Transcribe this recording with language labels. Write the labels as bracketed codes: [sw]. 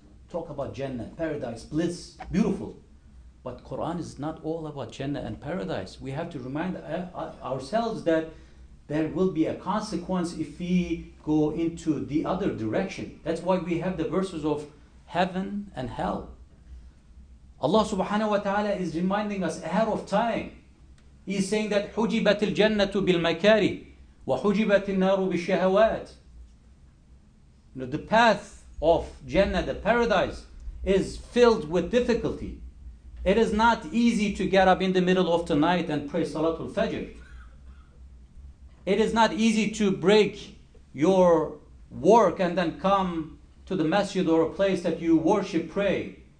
[en] Talk about Jannah, paradise, bliss, beautiful. But Quran is not all about Jannah and paradise. We have to remind ourselves that there will be a consequence if we go into the other direction. That's why we have the verses of heaven and hell. Allah subhanahu wa ta'ala is reminding us ahead of time. He is saying that [ar] حُجِبَتْ الْجَنَّةُ بِالْمَكَارِ وَحُجِبَتِ النَّارُ بِالشَّهَوَاتِ. [en] The path of Jannah, the paradise, is filled with difficulty. It is not easy to get up in the middle of the night and pray Salatul Fajr. It is not easy to break your work and then come to the masjid or a place that you worship, pray.